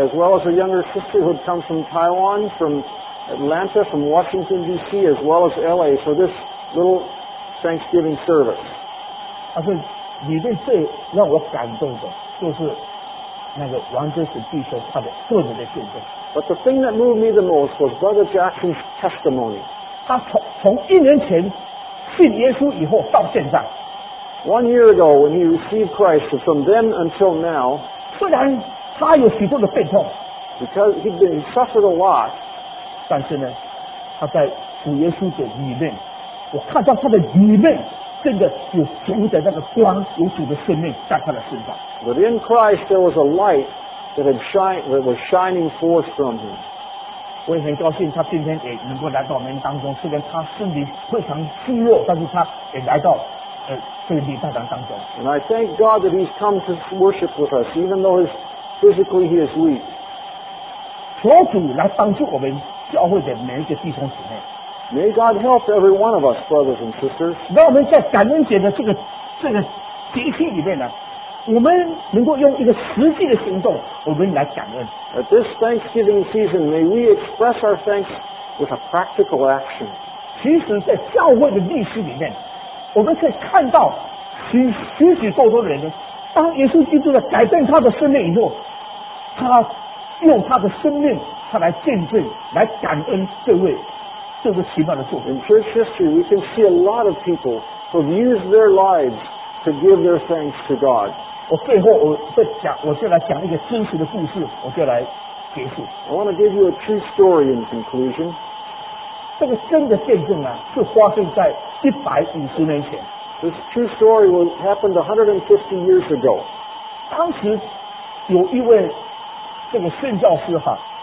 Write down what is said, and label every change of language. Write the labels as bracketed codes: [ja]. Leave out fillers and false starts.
[en] As well as a younger sister who comes from Taiwan, from Atlanta, from Washington D.C. as well as L.A. for this little Thanksgiving service. [zh] 但是里面最让我感动的就是。那个王哲成弟兄他的个人的见证。 [en] But the thing that moved me the most was Brother Jackson's testimony. [zh] 他从一年前信耶稣以后到现在。 [en] One year ago when he received Christ, from then until now. [zh] 虽然他有许多的病痛。 [en] Because he'd been suffered a lot. [zh] 但是呢，他在主耶稣的里面，我看到他的里面。真的有主的那个光，有主的生命在他的身上。 [en] But in Christ there was a light that had shine, that was shining forth from him. [zh] 我也很高兴他今天也能够来到我们当中，虽然他身体非常虚弱，但是他也来到这个礼拜堂当中。 [en] And I thank God that he's come to worship with us, even though he's physically he is weak. [zh] 求主来帮助我们教会的每一个弟兄姊妹。 [en] May God help every one of us, brothers and sisters. [zh] 让我们在感恩节的这个节气里面呢，我们能够用一个实际的行动，我们来感恩。 [en] At this Thanksgiving season, may we express our thanks with a practical action. [zh] 其实在教会的历史里面，我们可以看到许许多多的人呢，当耶稣基督的改变他的生命以后，他用他的生命，他来见证，来感恩这个奇妙的作品。 [en] In church history, we can see a lot of people who've used their lives to give their thanks to God. [zh] 我最后我就来讲一个真实的故事，我就来结束。 [en] I want to give you a true story in conclusion. [zh] 这个真的见证啊，是发生在150年前。 [en] This true story happened 150 years ago. [zh] 当时有一位这个宣教师哈。